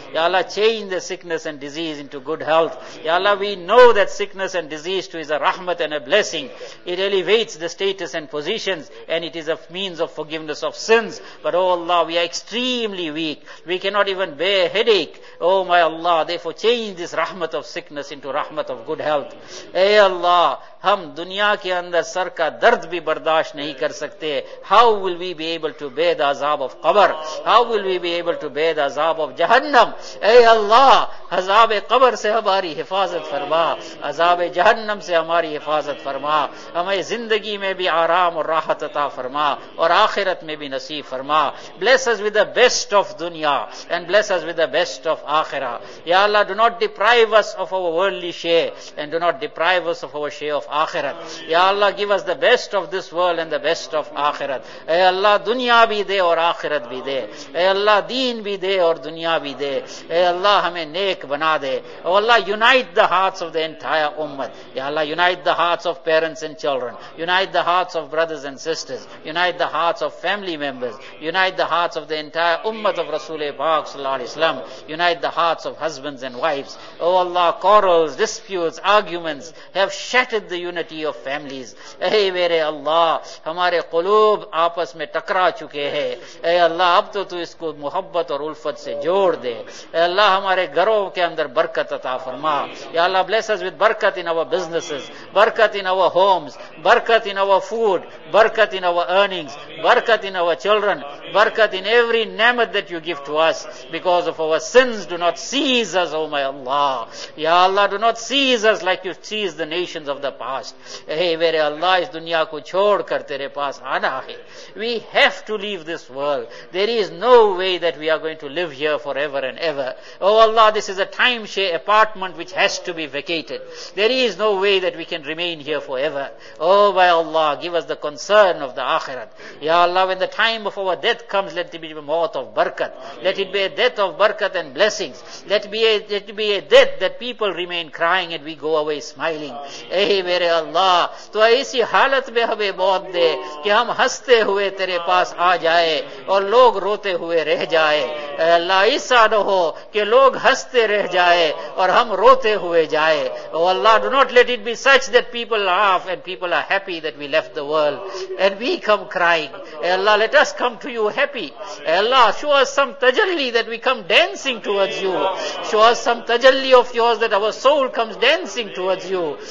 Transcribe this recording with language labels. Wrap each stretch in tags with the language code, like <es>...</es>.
<en>Ya Allah, change the sickness and disease into good health. Ya Allah, we know that sickness and disease too is a rahmat and a blessing. It elevates the status and positions, and it is a means of forgiveness of sins. But O Allah, we are extremely weak, we cannot even bear headache. Oh my Allah, therefore change this rahmat of sickness into rahmat of good health.</en> <ur>Ey Allah, ہم دنیا کے اندر سر کا درد بھی برداشت نہیں کر سکتے.</ur> <en>How will we be able to bear the عذاب of قبر? How will we be able to bear the عذاب of جہنم?</en> <ur>اے اللہ, عذاب قبر سے ہماری حفاظت فرما, عذاب جہنم سے ہماری حفاظت فرما. ہمیں زندگی میں بھی آرام اور راحت عطا فرما, اور آخرت میں بھی نصیب فرما.</ur> <en>Bless us with the best of دنیا and bless us with the best of آخرا. یا اللہ, do not deprive us of our worldly share and do not deprive us of our share of آخرت. یا اللہ, give us the best of this world and the best of آخرت.</en> <ur>اے اللہ, دنیا بھی دے اور آخرت بھی دے. اے اللہ, دین بھی دے اور دنیا بھی دے. اے اللہ, ہمیں نیک بنا دے.</ur> <en>او اللہ, unite the hearts of the entire ummah. یا اللہ, unite the hearts of parents and children, unite the hearts of brothers and sisters, unite the hearts of family members, unite the hearts of the entire ummah of رسول پاک صلی اللہ علیہ وسلم, unite the hearts of husbands and wives. او اللہ, quarrels, disputes, arguments have shattered the unity of families.</en> <ur>اے میرے اللہ, ہمارے قلوب آپس میں ٹکرا چکے ہیں. اے اللہ, اب تو اس کو محبت اور الفت سے جوڑ دے. اے اللہ, ہمارے گھروں کے اندر برکت عطا فرما.</ur> <en>یا اللہ, bless us with برکت in our businesses, برکت in our homes, برکت in our food, برکت in our earnings, برکت in our children, برکت in every نعمت that you give to us. Because of our sins, do not seize us, oh my Allah. یا اللہ, do not seize us like you seize the nations of the past.</en> <ur>اے میرے اللہ, اس دنیا کو چھوڑ کر تیرے پاس آنا ہے.</ur> <en>We have to leave this world. There is no way that we are going to live here forever and ever. Oh Allah, this is a timeshare apartment which has to be vacated. There is no way that we can remain here forever. Oh by Allah, give us the concern of the akhirat. Ya Allah, when the time of our death comes, let it be a moth of barakat. Let it be a death of barakat and blessings. Let it be a death that people remain crying and we go away smiling.</en> <ur>اے میرے اللہ, تو ایسی حالت میں ہمیں موت دے کہ ہم ہنستے ہوئے تیرے پاس آ جائے اور لوگ روتے ہوئے رہ جائے. اے اللہ, ایسا نہ ہو کہ لوگ ہنستے رہ جائے اور ہم روتے ہوئے جائے.</ur> <en>او اللہ, do not let it be such that people laugh and people are happy that we left the world and we come crying. اے اللہ, let us come to you happy. Ya Allah, show us some tajalli that we come dancing towards you. Show us some tajalli of yours that our soul comes dancing towards you.</en>